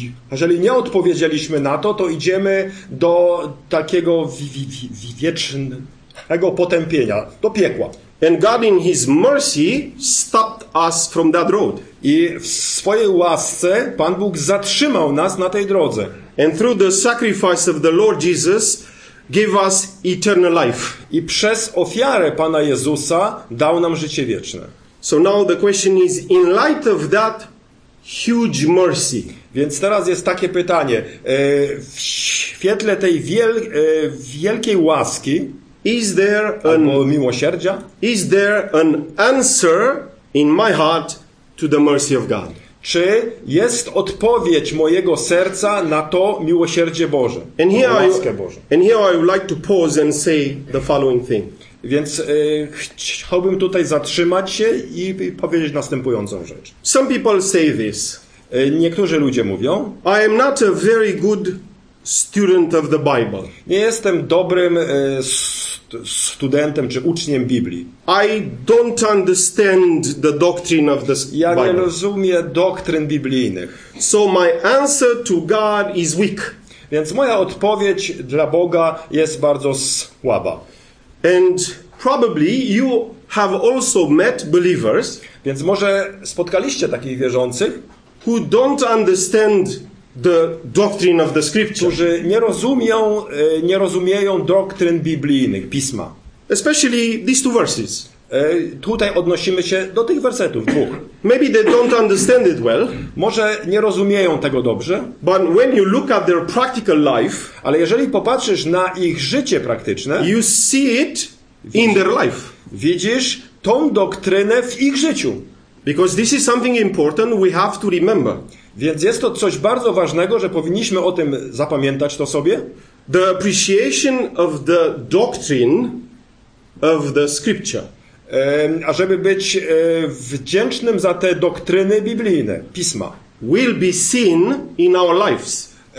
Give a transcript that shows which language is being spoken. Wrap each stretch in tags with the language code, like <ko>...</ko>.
<pl>Jeżeli nie odpowiedzieliśmy na to, to idziemy do takiego wiecznego potępienia, do piekła.</pl> <en>And God in his mercy stopped us from that road.</en> <pl>I w swojej łasce Pan Bóg zatrzymał nas na tej drodze.</pl> <en>And through the sacrifice of the Lord Jesus gave us eternal life.</en> <pl>I przez ofiarę Pana Jezusa dał nam życie wieczne.</pl> <en>So now the question is, in light of that huge mercy.</en> <pl>Więc teraz jest takie pytanie. W świetle tej wielkiej łaski,</pl> <en>is there</en> <pl>miłosierdzia?</pl> <en>Is there an answer in my heart to the mercy of God?</en> <pl>Czy jest odpowiedź mojego serca na to miłosierdzie Boże?</pl> <en>And here,</en> <pl>łaskę Bożą.</pl> <en>And here I would like to pause and say the following thing.</en> <pl>Więc chciałbym tutaj zatrzymać się i powiedzieć następującą rzecz.</pl> <en>Some people say this.</en> <pl>Niektórzy ludzie mówią:</pl> <en>I am not a very good student of the Bible.</en> <pl>Nie jestem dobrym studentem czy uczniem Biblii.</pl> <en>I don't understand the doctrine of the Bible.</en> <pl>Ja nie rozumiem doktryn biblijnych.</pl> <en>So my answer to God is weak.</en> <pl>Więc moja odpowiedź dla Boga jest bardzo słaba.</pl> <en>And probably you have also met believers,</en> <pl>więc może spotkaliście takich wierzących,</pl> <en>who don't understand the doctrine of the scripture,</en> <pl>którzy nie rozumieją doktryn biblijnych, pisma.</pl> <en>Especially these two verses.</en> <pl>Tutaj odnosimy się do tych wersetów dwóch.</pl> <en>Maybe they don't understand it well.</en> <pl>Może nie rozumieją tego dobrze.</pl> <en>But when you look at their practical life,</en> <pl>ale jeżeli popatrzysz na ich życie praktyczne,</pl> <en>you see it in their life.</en> <pl>Widzisz tą doktrynę w ich życiu.</pl> <en>Because this is something important we have to remember.</en> <pl>Więc jest to coś bardzo ważnego, że powinniśmy o tym zapamiętać to sobie.</pl> <en>The appreciation of the doctrine of the scripture.</en> <pl>A żeby być wdzięcznym za te doktryny biblijne, pisma,</pl> <en>will be seen in our lives.</en>